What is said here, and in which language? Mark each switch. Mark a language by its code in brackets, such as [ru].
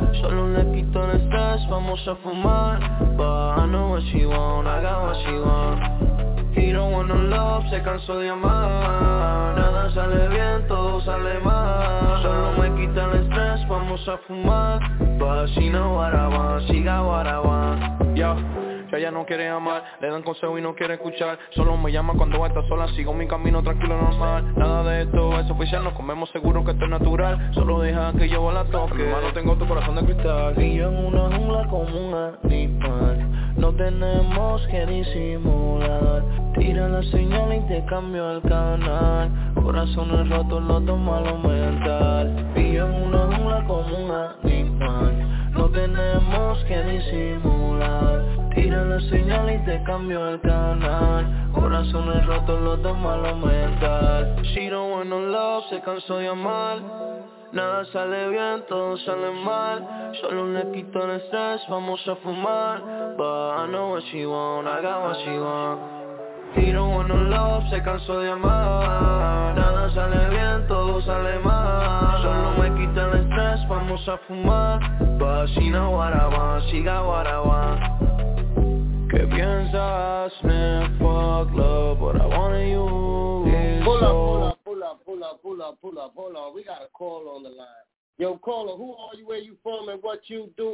[es] Solo le quito el estrés, vamos a fumar. [en] But I know what she want, I got what she want. He don't want no love, [es] se cansó de amar. Nada sale bien, todo sale mal. Solo me quita el estrés, vamos a fumar. [en] But she know what I want, she got what I want. Yo. [es] Si ella no quiere amar, le dan consejo y no quiere escuchar. Solo me llama cuando va a estar sola, sigo mi camino tranquilo, normal. Nada de esto es oficial, nos comemos seguro que esto es natural. Solo deja que yo la toque. En mi mano tengo tu corazón de cristal. Y yo en una jungla como un animal. No tenemos que disimular. Tira la señal y te cambio el canal. Corazones rotos, los dos malos mental. Y yo en una jungla como un animal. No tenemos que disimular. Tira la señal y te cambio el canal. Corazones rotos, los dos malos mental. [en] She don't want no love, [es] se cansó de amar. Nada sale bien, todo sale mal. Solo le quito el estrés, vamos a fumar. [en] But I know what she want, I got what she want. She don't want no love, [es] se cansó de amar. Nada sale bien, todo sale mal. Solo me quita el estrés, vamos a fumar. [en] But she know what I want, she got what I want. [es] ¿Qué piensas, [en] man? Fuck love, what I want to you. Pull up. We got a call on the line. Yo, caller, who are you, where you from, and what you do?